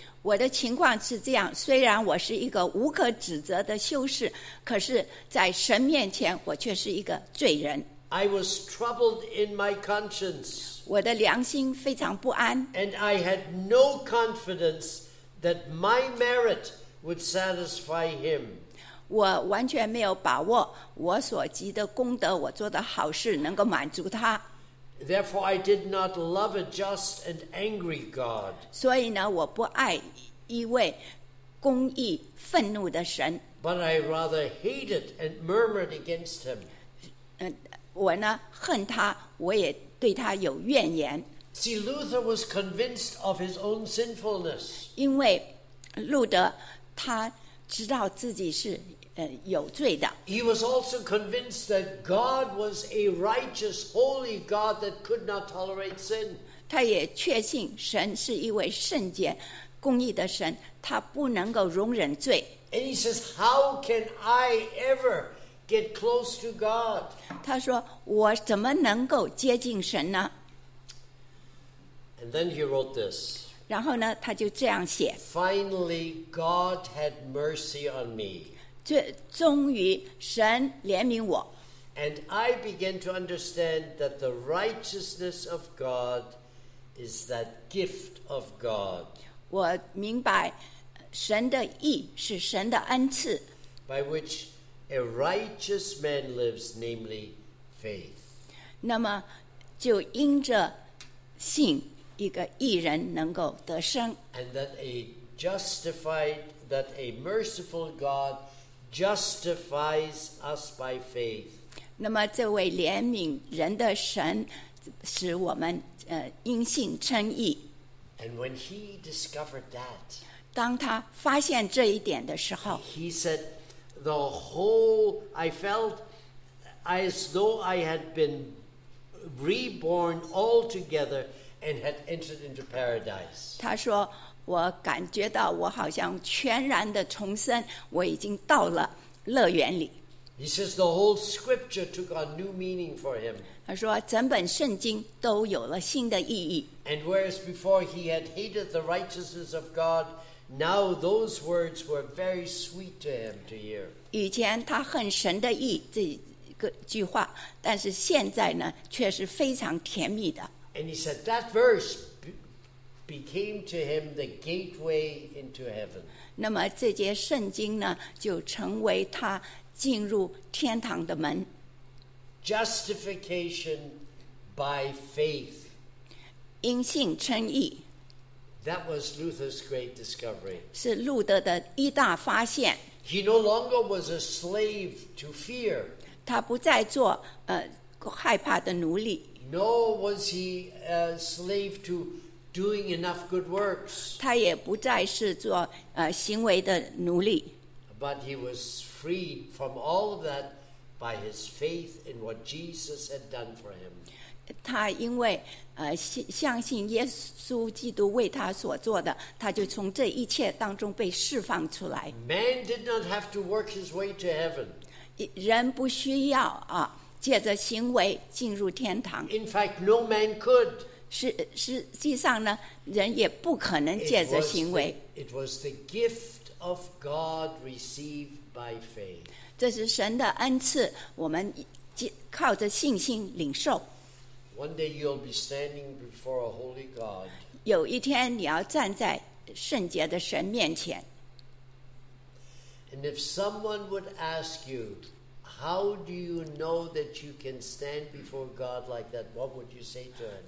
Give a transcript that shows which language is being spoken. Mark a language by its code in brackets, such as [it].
[zh] 我的情况是这样，虽然我是一个无可指责的修士，可是在神面前我却是一个罪人。 [en] I was troubled in my conscience. [zh] 我的良心非常不安。 [en] And I had no confidence that my merit would satisfy him. [zh] 我完全没有把握我所积的功德，我做的好事能够满足他。 [en] Therefore, I did not love a just and angry God. [zh] 所以呢，我不爱一位公义愤怒的神。 [en] But I rather hated and murmured against him. [zh] 我呢恨他，我也对他有怨言。 [en] See, Luther was convinced of his own sinfulness. [zh] 因为路德他。知道自己是有罪的。 [en] He was also convinced that God was a righteous, holy God that could not tolerate sin. [zh] 他也确信神是一位圣洁、公义的神，他不能够容忍罪。 [en] And he says, "How can I ever get close to God?" [zh] 他说，我怎么能够接近神呢？ [en] And then he wrote this. [zh] 然后呢，他就这样写。 [en] Finally, God had mercy on me. [zh] 终于神怜悯我。 [en] And I began to understand that the righteousness of God is that gift of God. [zh] 我明白神的义是神的恩赐。 [en] By which a righteous man lives, namely faith. [zh] 那么就因着信。一个义人能够得生。 [en] And that a justified, that a merciful God justifies us by faith. [zh] 那么这位怜悯人的神使我们因信称义。 [en] And when he discovered that, [zh] 当他发现这一点的时候， [en] he said, the whole, I felt as though I had been reborn altogether,and had entered into paradise. [zh] 他说，我感觉到我好像全然的重生，我已经到了乐园里。 [en] He says the whole scripture took on new meaning for him. [zh] 他说，整本圣经都有了新的意义。 [en] And whereas before he had hated the righteousness of God, now those words were very sweet to him to hear. [zh] 以前他恨神的义这个句话，但是现在呢，却是非常甜蜜的。 [en] And he said that verse became to him the gateway into heaven. [zh] 那么这节圣经呢，就成为他进入天堂的门。 [en] Justification by faith. [zh] 因信称义。 [en] That was Luther's great discovery. [zh] 是路德的一大发现。 [en] He no longer was a slave to fear. [zh] 他不再做害怕的奴隶。 [en] Nor was he a slave to doing enough good works. [zh] 他也不再是做行为的奴隶。 [en] But he was freed from all of that by his faith in what Jesus had done for him. [zh] 他因为相信耶稣基督为他所做的，他就从这一切当中被释放出来。 [en] Man did not have to work his way to heaven. [zh] 人不需要啊。借着行为进入天堂。 [en] In fact, no man could. [zh] 实际上呢，人也不可能借着行为。 [en] It was the gift of God received by faith. [zh] 这是神的恩赐，我们靠着信心领受。 [en] One day you'll be standing before a holy God. [zh] 有一天你要站在圣洁的神面前。 [en] And if someone would ask you, how do you know that you can stand before God like that? What would you say to him?